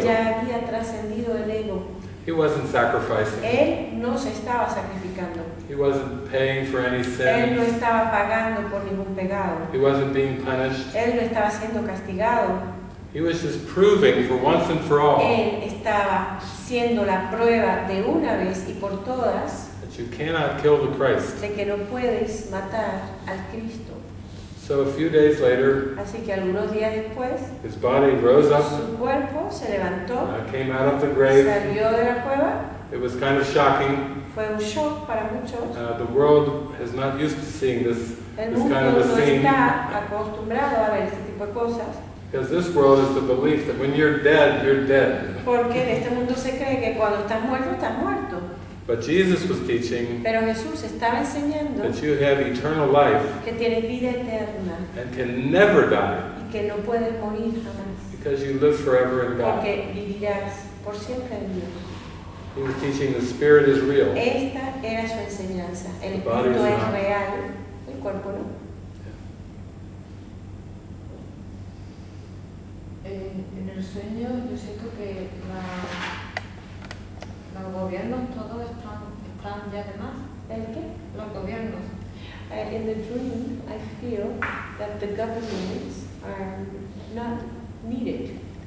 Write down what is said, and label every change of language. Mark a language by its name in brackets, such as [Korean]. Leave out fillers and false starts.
[Spanish] Él ya había trascendido el ego. [English] He wasn't sacrificing. [Spanish] Él no se estaba sacrificando. [English] He wasn't paying for any sins. [Spanish] Él no estaba pagando por ningún pecado. [English] He wasn't being punished. [Spanish] Él no estaba siendo castigado. [English] He was just proving for once and for all. [Spanish] Él estaba siendo la prueba de una vez y por todas. [English] That you cannot kill the Christ. [Spanish] De que no puedes matar al Cristo. [English] So a few days later, [Spanish] así que algunos días después, [English] his body rose up, [Spanish] su cuerpo se levantó, [English] came out of the grave, [Spanish] salió de la cueva. [English] It was kind of shocking. [Spanish] Fue un shock para muchos. [English] The world is not used to seeing this, this kind of a scene. [Spanish] El mundo no está acostumbrado a ver este tipo de cosas. [English] Because this world is the belief that when you're dead, you're dead. [Spanish] Porque en este mundo se cree que cuando estás muerto, estás muerto. [English] But Jesus was teaching, [Spanish] pero Jesús estaba enseñando, [English] that you have eternal life, [Spanish] que tienes vida eterna, [English] and can never die, [Spanish] y que no puedes morir jamás, [English] because you live forever in God. [Spanish] Porque vivirás por siempre en Dios. [English] He was teaching the spirit is real. [Spanish] Esta era su enseñanza. El espíritu es real, el cuerpo no. En el sueño yo siento que los gobiernos todos están ya de más. ¿El qué? Los gobiernos. [English] In the dream I feel that the governments are not needed.